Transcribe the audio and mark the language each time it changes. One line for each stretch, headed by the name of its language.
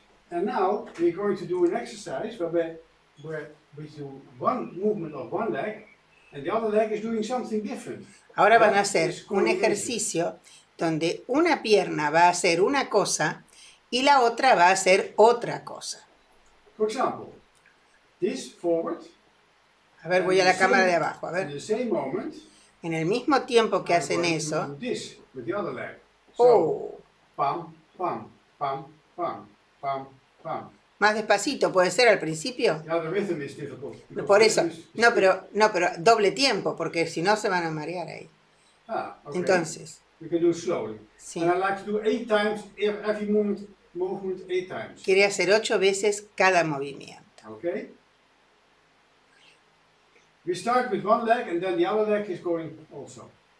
English: And now we're going to do an exercise where we do one movement of one leg and the other leg is doing something different.
Spanish: Ahora van a hacer un ejercicio donde una pierna va a hacer una cosa y la otra va a hacer otra cosa.
English: For example, this forward.
Spanish: A ver, voy a la cámara de abajo, a ver.
English: In the same moment,
Spanish: en el mismo tiempo que hacen eso.
English: This with the other leg. Oh. Pam, pam, pam, pam, pam, pam.
Spanish: Más despacito, ¿puede ser al principio?
English: Yeah, the rhythm is difficult.
Spanish: Por eso. No, pero doble tiempo, porque si no se van a marear ahí.
English: Ah, okay.
Spanish: Entonces.
English: We can do slowly.
Spanish: Sí.
English: And I like to do 8 times every movement 8 times.
Spanish: Quiere hacer 8 veces cada movimiento.
English: Okay. We start with one leg and then the other leg is going also.